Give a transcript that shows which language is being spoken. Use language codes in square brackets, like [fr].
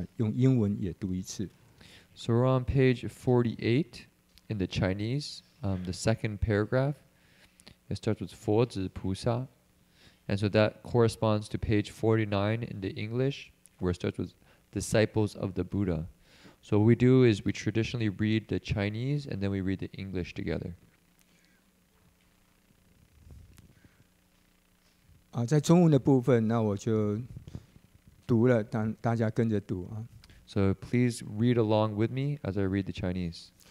[zh] 现在我们的经文是照中文本的48页，第二段，佛子菩萨注释南圣地开始。所以首先呢，我们会把这两段经文用中文读一次，那用英文也读一次。So [en] we're on page 48 in the Chinese, the second paragraph. It starts with 佛子菩萨, and so that corresponds to page 49 in the English, where it starts with disciples of the Buddha. So what we do is we traditionally read the Chinese and then we read the English together. [zh] 在中文的部分，那我就读了，大家跟着读啊。So [en] please read along with me as I read the Chinese.